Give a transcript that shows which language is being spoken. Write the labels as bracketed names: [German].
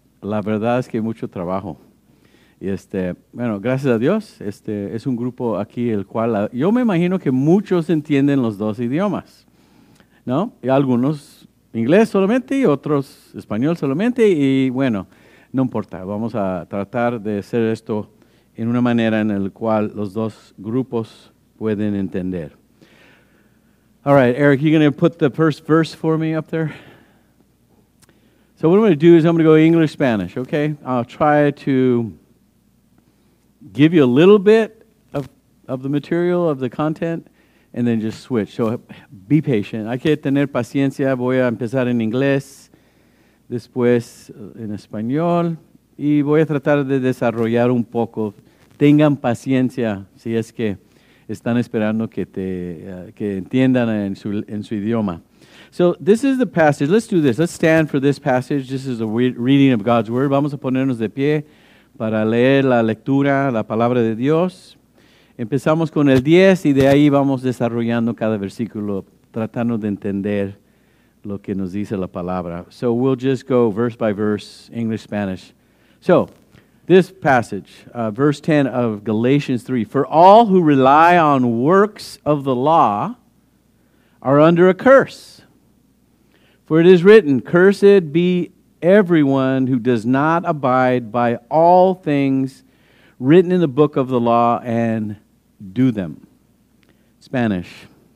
[Spanish] La verdad es que hay mucho trabajo. Y bueno, gracias a Dios, es un grupo aquí el cual, yo me imagino que muchos entienden los dos idiomas, ¿no? Y algunos inglés solamente y otros español solamente. Y bueno, no importa, vamos a tratar de hacer esto en una manera en la cual los dos grupos pueden entender. [English] All right, Eric, you're going to put the first verse for me up there? So what I'm going to do is I'm going to go English-Spanish, okay? I'll try to give you a little bit of the material, of the content, and then just switch. So be patient. [Spanish] Hay que tener paciencia. Voy a empezar en inglés, después en español, y voy a tratar de desarrollar un poco. Tengan paciencia, si es que están esperando que te que entiendan en su idioma. [English] So this is the passage. Let's do this. Let's stand for this passage. This is a reading of God's word. [Spanish] Vamos a ponernos de pie para leer la lectura, la palabra de Dios. Empezamos con el 10 y de ahí vamos desarrollando cada versículo, tratando de entender lo que nos dice la palabra. [English] So we'll just go verse by verse, English, Spanish. So this passage, verse 10 of Galatians 3, for all who rely on works of the law are under a curse. For it is written, cursed be everyone who does not abide by all things written in the book of the law and do them. Spanish.